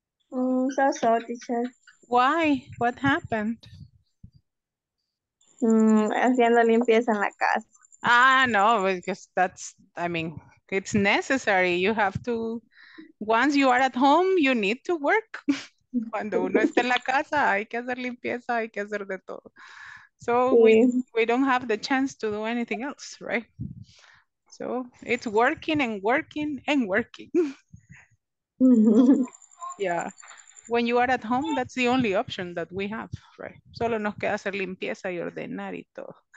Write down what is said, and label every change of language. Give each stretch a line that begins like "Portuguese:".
English: So, teacher. Why? What happened?
Spanish: Haciendo limpieza en la casa.
English: Ah, no, because it's necessary. You have to, once you are at home, you need to work.
Spanish: Cuando uno está en la casa, hay que hacer limpieza, hay que hacer de todo.
English: So
Spanish: Sí.
English: we don't have the chance to do anything else, right? So it's working and working and working. Yeah. When you are at home, that's the only option that we have, right?
Spanish: Solo nos queda hacer limpieza y ordenar y todo.